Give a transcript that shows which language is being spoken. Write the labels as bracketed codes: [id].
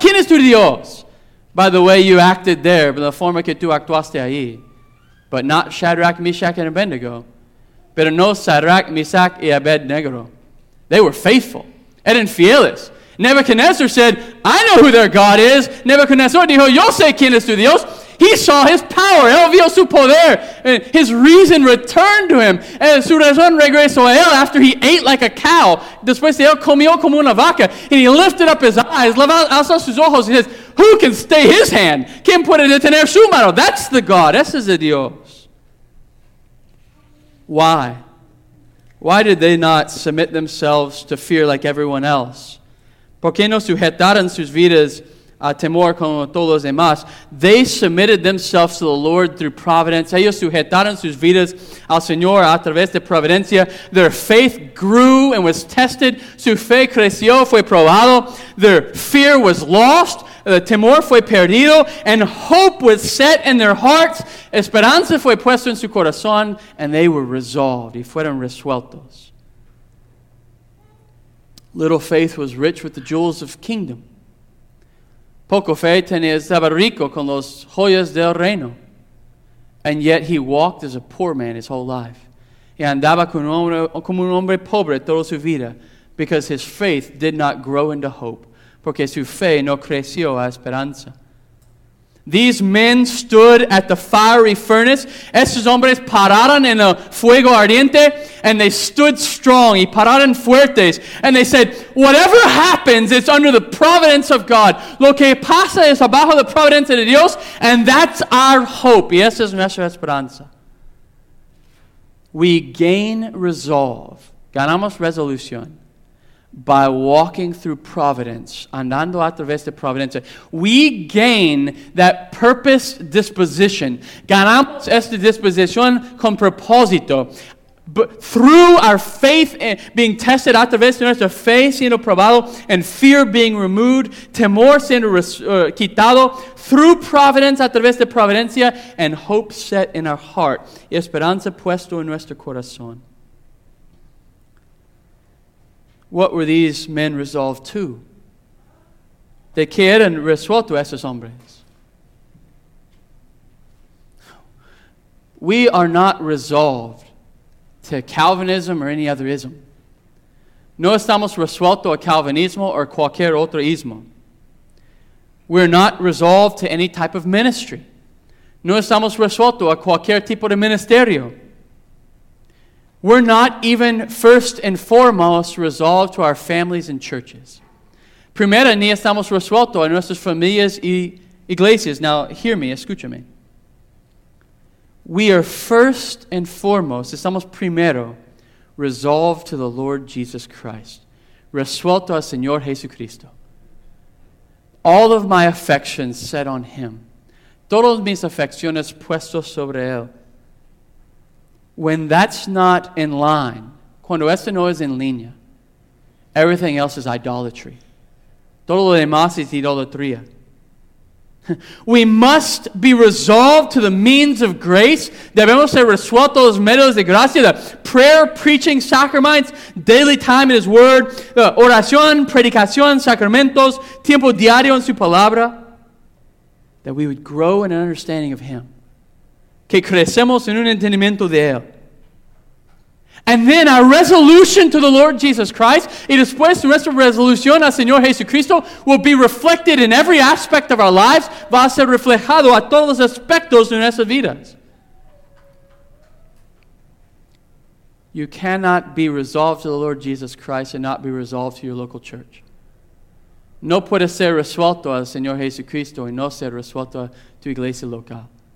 [es] ¿Quién es tu Dios? [en] By the way you acted there, by the [es] forma que tú actuaste ahí. [en] But not Shadrach, Meshach, and Abednego. [es] Pero no Shadrach, Meshach, y Abednego. [en] They were faithful. [es] Eran fieles. [en] Nebuchadnezzar said, I know who their God is. [es] Nebuchadnezzar dijo, yo sé quién es tu Dios. [en] He saw his power. [es] Él vio su poder. [en] And his reason returned to him. And [es] su razón regresó a él [en] after he ate like a cow. [es] Después de él comió como una vaca. [en] And he lifted up his eyes, [es] alzó sus ojos. [en] He says, who can stay his hand? [es] ¿Quién puede detener su mano? [en] That's the God. [es] Ese es el Dios. [en] Why? Why did they not submit themselves to fear like everyone else? [es] ¿Por qué no sujetaron sus vidas a temor como todos los demás? [en] They submitted themselves to the Lord through providence. [es] Ellos sujetaron sus vidas al Señor a través de providencia. [en] Their faith grew and was tested. [es] Su fe creció, fue probado. [en] Their fear was lost. The [es] temor fue perdido. [en] And hope was set in their hearts. [es] Esperanza fue puesta en su corazón. [en] And they were resolved. [es] Y fueron resueltos. [en] Little faith was rich with the jewels of kingdom. [es] Poco fe tenía estaba rico con los joyas del reino. [en] And yet he walked as a poor man his whole life. [es] Y andaba como un hombre pobre toda su vida. [en] Because his faith did not grow into hope. [es] Porque su fe no creció a esperanza. [en] These men stood at the fiery furnace. [es] Estos hombres pararon en el fuego ardiente. [en] And they stood strong. [es] Y pararon fuertes. [en] And they said, whatever happens, it's under the providence of God. [es] Lo que pasa es abajo la providencia de Dios. [en] And that's our hope. [es] Y esa es nuestra esperanza. [en] We gain resolve. [es] Ganamos resolución. [en] By walking through providence, [es] andando a través de providencia, [en] we gain that purpose disposition. [es] Ganamos esta disposición con propósito. [en] But through our faith being tested [es] a través de nuestra fe siendo probado [en] and fear being removed, [es] temor siendo quitado, [en] through providence [es] a través de providencia [en] and hope set in our heart, [es] y esperanza puesto en nuestro corazón. [en] What were these men resolved to? [es] ¿De qué eran resueltos esos hombres? [en] We are not resolved to Calvinism or any other ism. [es] No estamos resueltos a Calvinismo or cualquier otro ismo. [en] We're not resolved to any type of ministry. [es] No estamos resueltos a cualquier tipo de ministerio. [en] We're not even first and foremost resolved to our families and churches. [es] Primero, ni estamos resueltos a nuestras familias y iglesias. [en] Now, hear me, [es] escúchame. [en] We are first and foremost, [es] estamos primero, [en] resolved to the Lord Jesus Christ. [es] Resuelto al Señor Jesucristo. [en] All of my affections set on Him. [es] Todas mis afecciones puestos sobre Él. [en] When that's not in line, [es] cuando esto no es en línea, everything else is idolatry. Todo lo demás es idolatría. [en] We must be resolved to the means of grace. [es] Debemos ser resueltos a los medios de gracia. [en] The prayer, preaching, sacraments, daily time in His Word. [es] Oración, predicación, sacramentos, tiempo diario en su palabra. [en] That we would grow in an understanding of Him. [es] Que crecemos en un entendimiento de Él. [en] And then our resolution to the Lord Jesus Christ, [es] y después nuestra resolución al Señor Jesucristo, [en] will be reflected in every aspect of our lives, [es] va a ser reflejado a todos los aspectos de nuestras vidas. [en] You cannot be resolved to the Lord Jesus Christ and not be resolved to your local church. [es] No puede ser resuelto al Señor Jesucristo y no ser resuelto a tu iglesia local.